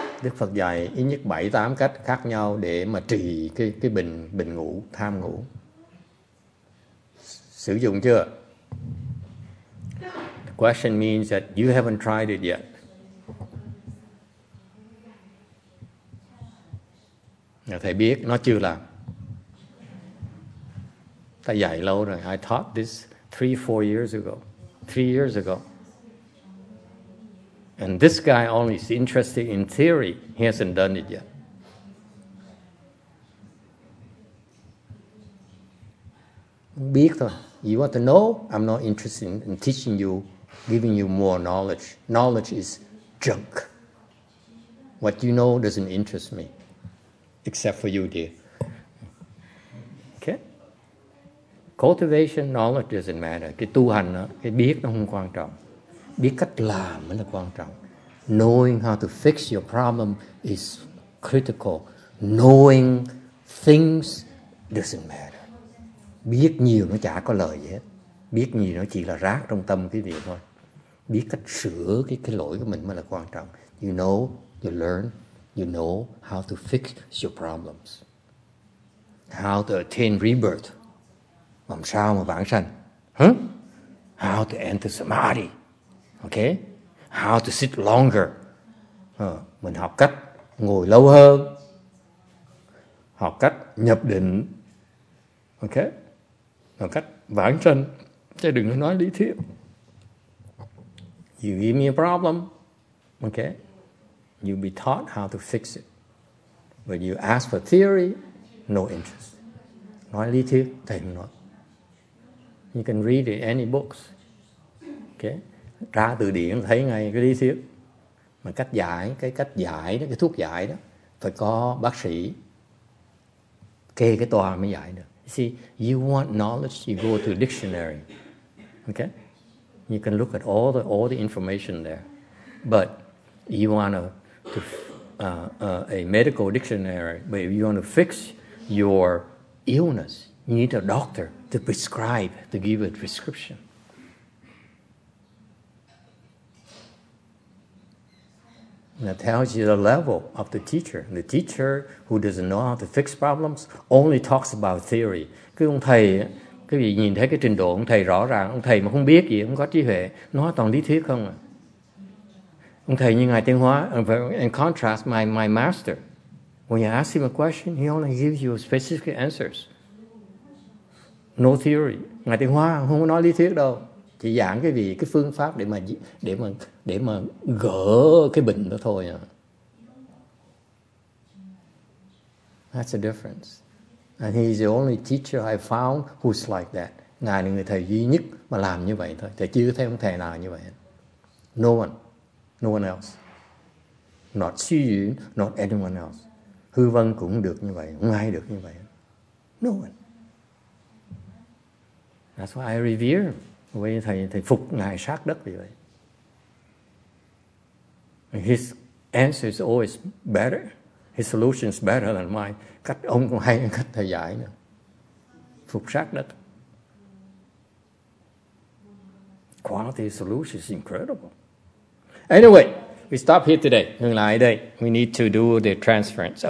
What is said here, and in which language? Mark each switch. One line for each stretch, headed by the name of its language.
Vietnamese: Đức Phật dạy ít nhất 7-8 cách khác nhau để mà trì cái bình ngủ, tham ngủ. Sử dụng chưa?
English: The question means that you haven't tried it yet.
Vietnamese: Thầy biết nó chưa làm. Thầy dạy lâu rồi.
English: I taught this 3 or 4 years ago. And this guy only is interested in theory. He hasn't done it yet.
Vietnamese: Biết thôi.
English: You want to know? I'm not interested in teaching you, giving you more knowledge. Knowledge is junk. What you know doesn't interest me, except for you, dear. Okay. Cultivation, knowledge doesn't matter.
Vietnamese: Cái tu hành đó, cái biết nó không quan trọng. Biết cách làm mới là quan trọng.
English: Knowing how to fix your problem is critical. Knowing things doesn't matter.
Vietnamese: Biết nhiều nó chả có lời gì hết. Biết nhiều nó chỉ là rác trong tâm cái việc thôi. Biết cách sửa cái lỗi của mình mới là quan trọng.
English: You know, you learn, you know how to fix your problems. How to attain rebirth.
Vietnamese: Làm sao mà vãng sanh?
English: Huh? How to enter samadhi. Okay? How to sit longer.
Vietnamese: Mình học cách ngồi lâu hơn. Học cách nhập định. Okay? Học cách vãng sanh. Chứ đừng có nói lý thuyết.
English: You give me a problem. Okay? You'll be taught how to fix it. When you ask for theory, no interest.
Vietnamese: Nói lý thuyết, thầy không nói.
English: You can read it, any books. Okay?
Vietnamese: Ra từ điển thấy ngay cái lý thuyết. Mà cách giải đó, cái thuốc giải đó, phải có bác sĩ kê cái tòa mới giải được.
English: You see, you want knowledge, you go to a dictionary. Okay? You can look at all the information there. But you want a medical dictionary, but if you want to fix your illness, you need a doctor to prescribe, to give a prescription. That tells you the level of the teacher. The teacher who doesn't know how to fix problems only talks about theory.
Vietnamese: Cái ông thầy, cái gì nhìn thấy cái trình độ ông thầy rõ ràng, ông thầy mà không biết gì, không có trí huệ, nói toàn lý thuyết không à. Ông thầy như ngài Tiên Hóa,
English: in contrast, my master, when you ask him a question, he only gives you specific answers. No theory.
Vietnamese: Ngài Tiên Hóa không có nói lý thuyết đâu. Chỉ giảng cái gì, cái phương pháp để mà gỡ cái bệnh đó thôi à.
English: That's the difference. And he's the only teacher I found who's like that.
Vietnamese: Ngài là người thầy duy nhất mà làm như vậy thôi. Thầy chưa thấy ông thầy nào như vậy.
English: No one. No one else. Not Xu Yun, not anyone else.
Vietnamese: Hư Vân cũng được như vậy. Không ai được như vậy.
English: No one. That's why I revere him.
Vietnamese: Vậy thầy phục ngài sát đất vì vậy.
English: His answer is always better. His solution is better than mine.
Vietnamese: Cách ông cũng hay cách thầy giải nữa. Phục sát đất.
English: Quality solution is incredible. Anyway, we stop here today.
Vietnamese: Ngừng lại đây.
English: We need to do the transference.